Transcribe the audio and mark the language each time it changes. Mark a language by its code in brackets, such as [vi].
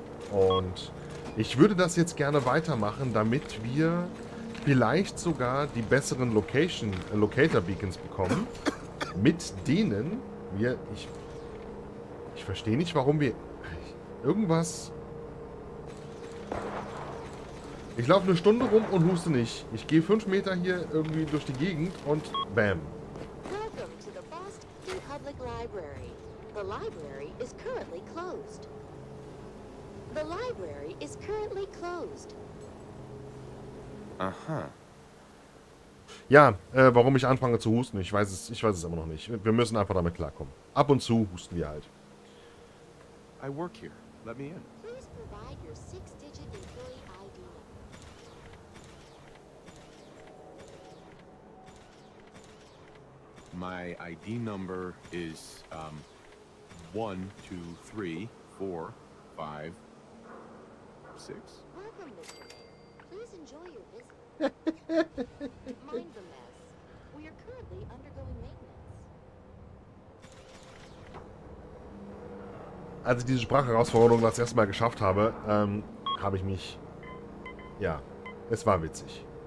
[de] Und ich würde das jetzt gerne weitermachen, damit wir vielleicht sogar die besseren Locator-Beacons bekommen, mit denen wir... Ich verstehe nicht, warum wir... Irgendwas... Ich laufe eine Stunde rum und huste nicht. Ich gehe 5 Meter hier irgendwie durch die Gegend und bam. [en] Welcome to the Boston Public Library. The library is currently closed. The library is currently closed. Aha. [de] Ja, warum ich anfange zu husten, ich weiß es immer noch nicht. Wir müssen einfach damit klarkommen. Ab und zu husten wir halt. [en] I work here. Let me in. Please provide your 6-digit employee ID. My ID number is 1, 2, 3, 4, 5, 6. Welcome, Mr. Mayor. Please enjoy your visit. Mind the mess. We are currently undergoing maintenance. [de] Als ich diese Sprachherausforderung das erste Mal geschafft habe, habe ich mich... Ja, es war witzig.